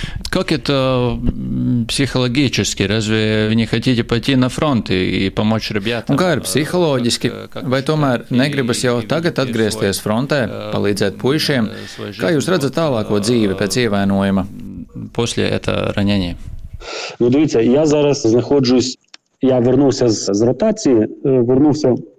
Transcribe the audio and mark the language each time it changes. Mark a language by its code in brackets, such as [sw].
[ru] Как это психологически? Разве вы не хотите пойти на фронт и помочь ребятам? [lv] Kā ir psiholoģiski? Vai tomēr negribas jau tagad atgriezties frontē, palīdzēt puišiem? Kā jūs redzat tālāko dzīvi pēc ievainojuma? [ru] После это ранение. [uk] Ну, дивіться, я зараз знаходжусь, я вернувся з ротації, вернувся